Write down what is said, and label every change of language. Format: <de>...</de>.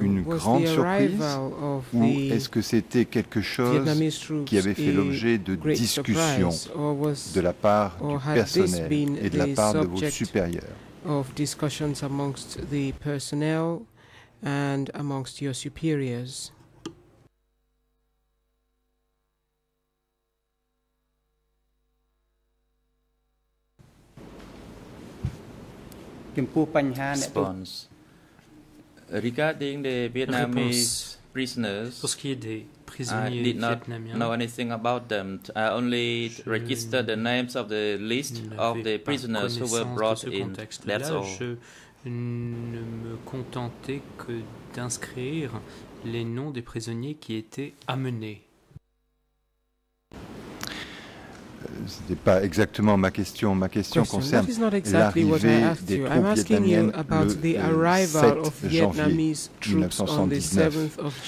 <fr>une grande surprise ou est-ce que c'était quelque chose qui avait fait l'objet de discussions</fr> <en>was,</en> <fr>de la part du personnel et de la part de vos supérieurs?</fr> <en>Of discussions amongst the personnel and amongst your superiors? Response. Regarding the Vietnamese</en> <fr>réponse.</fr> <en>Prisoners,</en> <fr>pour ce qui est des prisonniers</fr> <en>I did not know anything about them. I only registered the names of the list of the prisoners who were brought in. That's all.</en> <fr>Je ne me contentais que d'inscrire les noms des prisonniers qui étaient amenés. Ce n'est pas exactement ma question. Ma question concerne l'arrivée des troupes vietnamiennes le 7 janvier 1979.</fr>